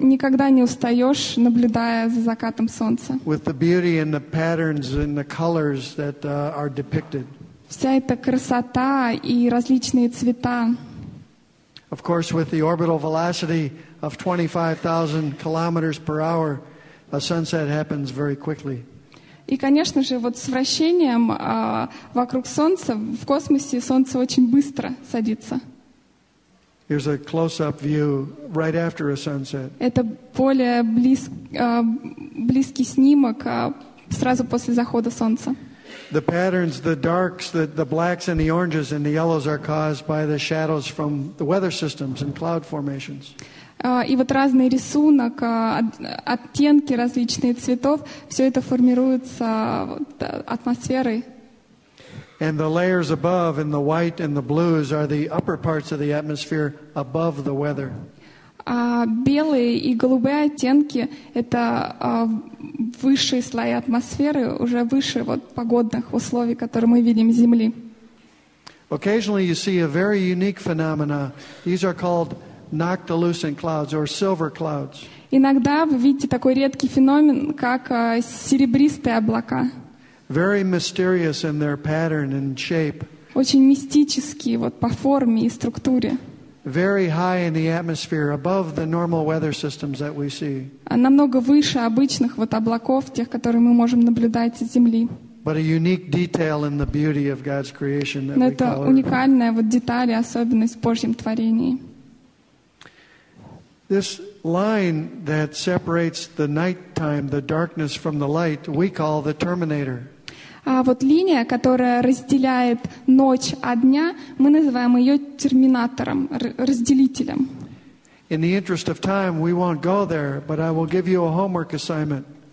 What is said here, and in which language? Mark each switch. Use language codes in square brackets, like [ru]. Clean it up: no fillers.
[ru] Никогда не устаешь, наблюдая за закатом солнца. [en] With the beauty and the patterns and the colors that are depicted. [ru] Вся эта красота и различные цвета. [en] Of course, with the orbital velocity of 25,000 kilometers per hour, a sunset happens very quickly. [ru] И, конечно же, вот с вращением вокруг Солнца в космосе Солнце очень быстро садится. [en] Here's a close-up view right after a sunset. [ru] Это более близкий снимок сразу после захода Солнца. [en] The patterns, the darks, the blacks and the oranges and the yellows are caused by the shadows from the weather systems and cloud formations. [ru] И вот разный рисунок, оттенки различные цветов, все это формируется атмосферой. [en] And the layers above in the white and the blues are the upper parts of the atmosphere above the weather. [ru] А белые и голубые оттенки — это высшие слои атмосферы, уже выше вот погодных условий, которые мы видим с Земли. [en] Occasionally you see a very unique phenomena. These are called noctilucent clouds or silver clouds. [ru] Иногда вы видите такой редкий феномен, как серебристые облака. [en] Very mysterious in their pattern and shape. [ru] Очень мистические вот по форме и структуре. [en] Very high in the atmosphere, above the normal weather systems that we see. [ru] Намного выше обычных вот облаков, тех, которые мы можем наблюдать с Земли. [en] But a unique detail in the beauty of God's creation that we call it. [ru] Но это уникальная вот деталь и особенность в Божьем творении. [en] This line that separates the nighttime, the darkness from the light, we call the terminator. [ru] А вот линия, которая разделяет ночь от дня, мы называем ее терминатором, разделителем. [en] In the interest of time, we won't go there, but I will give you a homework assignment.